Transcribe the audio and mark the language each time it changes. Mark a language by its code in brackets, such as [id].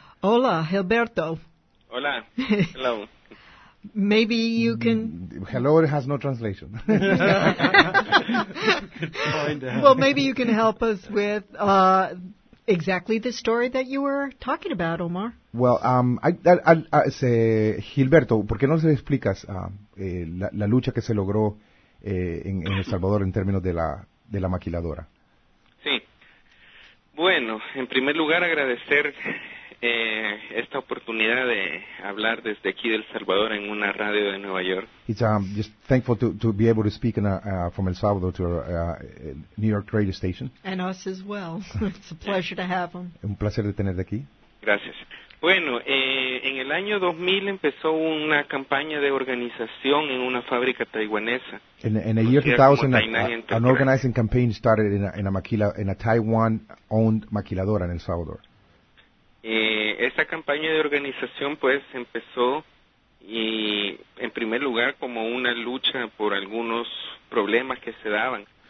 [es] Hola, Gilberto. Hola. [en] Hello. Maybe you can... Hello, it has no translation. Well, maybe you can help us with exactly the story that you were talking about, Omar. [es] Well, Gilberto, ¿por qué no se explicas la lucha que se logró en El Salvador en términos de la maquiladora? Sí. Bueno, en primer lugar, agradecer esta oportunidad de hablar desde aquí de El Salvador en una radio de Nueva York. [en] It's just thankful to be able to speak from El Salvador to a New York radio station. And us as well. It's a pleasure to have him. [es] Un placer de tenerte aquí. Gracias. Bueno, en el año 2000 empezó una campaña de organización en una fábrica taiwanesa. [en] In the year 2000, an organizing campaign started in a Taiwan-owned maquiladora in El Salvador. [es] Esta campaña de organización, pues, empezó y, en primer lugar, como una lucha por algunos problemas que se daban.